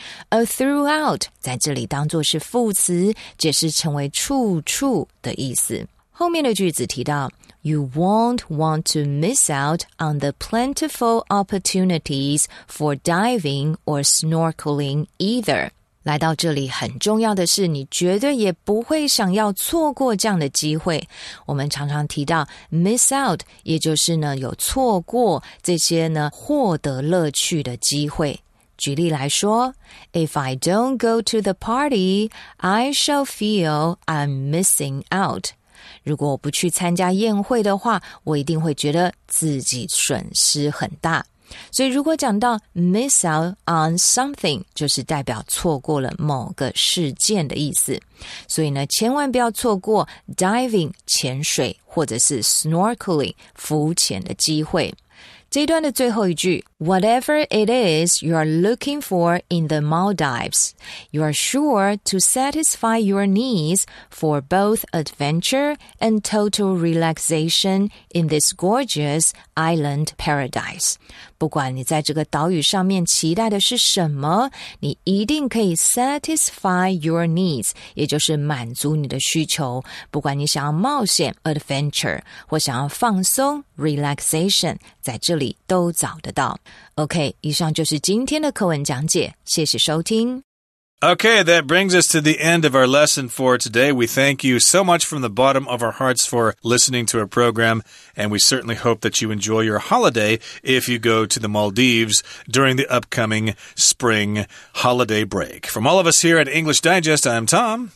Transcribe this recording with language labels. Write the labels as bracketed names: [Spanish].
[Chinese] 而 throughout 在这里当作是副词解释成为处处的意思后面的句子提到 [English] You won't want to miss out on the plentiful opportunities for diving or snorkeling either [Chinese] 来到这里很重要的是你绝对也不会想要错过这样的机会。我们常常提到 miss out, 也就是呢有错过这些呢获得乐趣的机会。举例来说 [English] ,if I don't go to the party, I shall feel I'm missing out. [Chinese] 如果我不去参加宴会的话我一定会觉得自己损失很大。所以如果讲到 miss out on something, 就是代表错过了某个事件的意思。所以呢千万不要错过 diving, 潜水或者是 snorkeling, 浮潜的机会。这一段的最后一句 [English] Whatever it is you are looking for in the Maldives, you are sure to satisfy your needs for both adventure and total relaxation in this gorgeous island paradise. [Chinese] 不管你在这个岛屿上面期待的是什么，你一定可以 [English] satisfy your needs, [Chinese] 也就是满足你的需求。不管你想要冒险 adventure, 或想要放松 relaxation, 在这里都找得到。 OK, 以上就是今天的课文讲解，谢谢收听。 [English] Okay, that brings us to the end of our lesson for today. We thank you so much from the bottom of our hearts for listening to our program, and we certainly hope that you enjoy your holiday if you go to the Maldives during the upcoming spring holiday break. From all of us here at English Digest, I'm Tom.